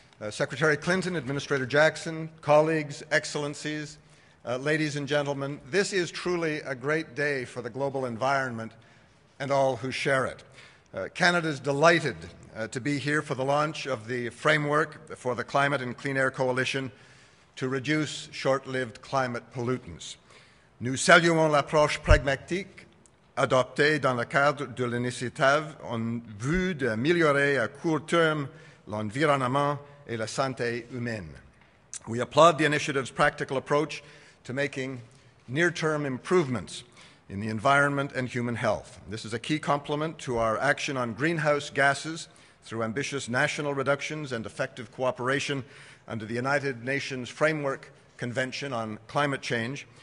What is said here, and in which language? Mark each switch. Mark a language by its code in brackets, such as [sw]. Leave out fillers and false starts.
[en] Secretary Clinton, Administrator Jackson, colleagues, excellencies, ladies and gentlemen, this is truly a great day for the global environment and all who share it. Canada's delighted to be here for the launch of the Framework for the Climate and Clean Air Coalition to reduce short-lived climate pollutants. [fr] Nous saluons l'approche pragmatique adoptée dans le cadre de l'initiative en vue d'améliorer à court terme l'environnement et la santé humaine. [en] We applaud the initiative's practical approach to making near-term improvements in the environment and human health. This is a key complement to our action on greenhouse gases through ambitious national reductions and effective cooperation under the United Nations Framework Convention on Climate Change.